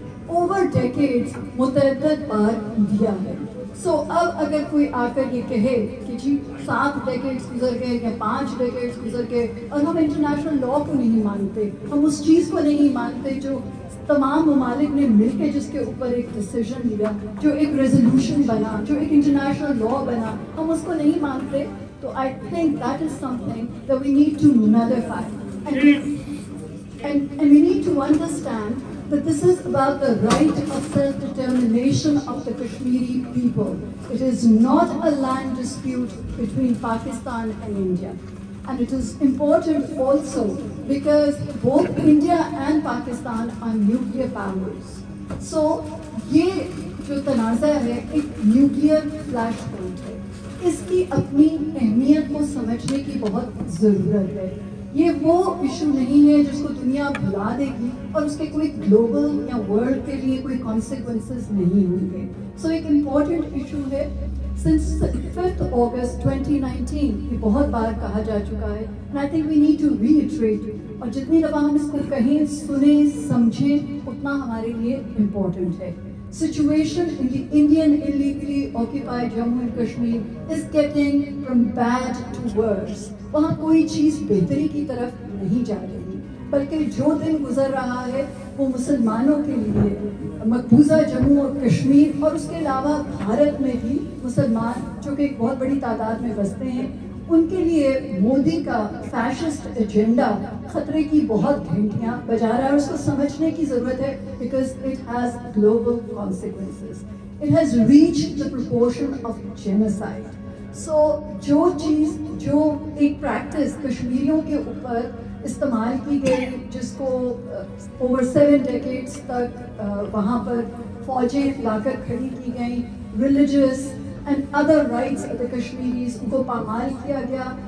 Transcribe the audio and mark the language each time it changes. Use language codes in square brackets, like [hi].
[ur] Over decades متعدد بار دیا ہے سو اب اگر کوئی آ کر یہ کہے کہ جی سات ڈیکیڈز گزر گئے یا پانچ ڈیکیڈز گزر گئے اور ہم انٹرنیشنل لاء کو نہیں مانتے ہم اس چیز کو نہیں مانتے جو تمام ممالک نے مل کے جس کے اوپر ایک ڈیسیجن لیا جو ایک ریزولوشن بنا جو ایک انٹرنیشنل لاء بنا ہم اس کو نہیں مانتے تو [en] I think that is something that we need to nullify and we need to understand But this is about the right of self-determination of the Kashmiri people. It is not a land dispute between Pakistan and India. And it is important also because both India and Pakistan are nuclear powers. [ur] So, ye jo tanaza hai, ek nuclear flashpoint hai. اس کی اپنی اہمیت کو سمجھنے کی بہت ضرورت ہے. یہ وہ ایشو نہیں ہے جس کو دنیا بھلا دے گی اور اس کے کوئی گلوبل یا ورلڈ کے لیے کوئی کانسیکوینسز نہیں ہوں گے. سو ایک امپورٹنٹ ایشو ہے. سنس 5 اگست 2019 یہ بہت بار کہا جا چکا ہے. [en] I think we need to retreat [ur] اور جتنی دفعہ ہم اس کو کہیں سنیں سمجھیں اتنا ہمارے لیے امپورٹنٹ ہے. [en] Situation in the Indian illegally occupied Jammu and Kashmir is getting from bad to worse. [ur] وہاں کوئی چیز بہتری کی طرف نہیں جا رہی بلکہ جو دن گزر رہا ہے وہ مسلمانوں کے لیے مقبوضہ جموں اور کشمیر اور اس کے علاوہ بھارت میں بھی مسلمان جو کہ ایک بہت بڑی تعداد میں بستے ہیں ان کے لیے مودی کا فیشسٹ ایجنڈا خطرے کی بہت گھنٹیاں بجا رہا ہے اور اس کو سمجھنے کی ضرورت ہے [en] Because it has global consequences. It has reach the proportion of genocide. [ur] سو جو چیز جو ایک پریکٹس کشمیریوں کے اوپر استعمال کی گئی جس کو اوور 7 decades تک وہاں پر فوجیں لا کر کھڑی کی گئیں, religious [en] and other rights of the Kashmiris, [ur] ان کو پامال کیا گیا.